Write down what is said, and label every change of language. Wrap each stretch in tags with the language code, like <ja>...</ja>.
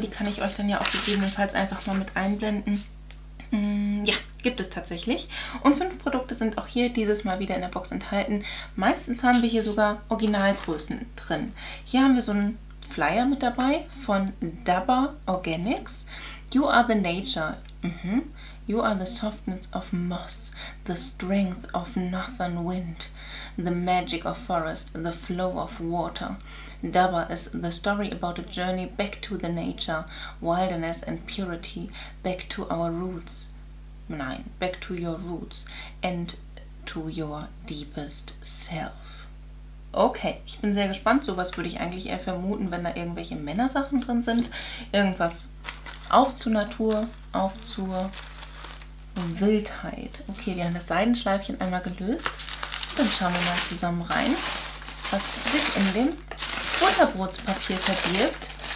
<de>Die kann ich euch dann ja auch gegebenenfalls einfach mal mit einblenden. Ja, gibt es tatsächlich. Und 5 Produkte sind auch hier dieses Mal wieder in der Box enthalten. Meistens haben wir hier sogar Originalgrößen drin. Hier haben wir so einen Flyer mit dabei von Dabba Organics.</de> <en>You are the nature. Mhm. You are the softness of moss, the strength of northern wind, the magic of forest, the flow of water. Dabba is the story about a journey back to the nature, wilderness and purity, back to our roots.</en> <de>Nein,</de> <en>back to your roots and to your deepest self.</en> <de>Okay, ich bin sehr gespannt. Sowas würde ich eigentlich eher vermuten, wenn da irgendwelche Männersachen drin sind. Irgendwas auf zur Natur, auf zur Wildheit. Okay, wir haben das Seidenschleifchen einmal gelöst. Dann schauen wir mal zusammen rein, was sich in dem Butterbrotpapier verbirgt.</de>